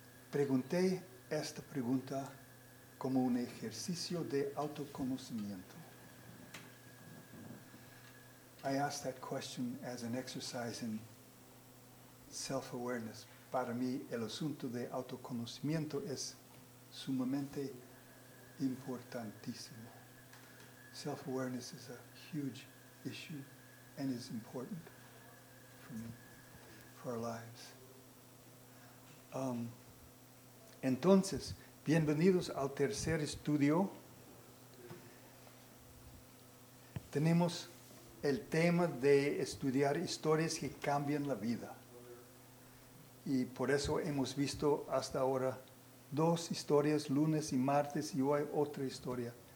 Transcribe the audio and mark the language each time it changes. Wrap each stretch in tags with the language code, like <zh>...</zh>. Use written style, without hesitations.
<es>Pregunté esta pregunta como un ejercicio de autoconocimiento.</es> <en>I asked that question as an exercise in self-awareness.</en> <es>Para mí, el asunto de autoconocimiento es sumamente importantísimo.</es> <en>Self-awareness is a huge issue and is important for me, for our lives.</en> <es>Entonces, bienvenidos al tercer estudio. Tenemos el tema de estudiar historias que cambian la vida. Y por eso hemos visto hasta ahora dos historias, lunes y martes, y hoy otra historia.</es>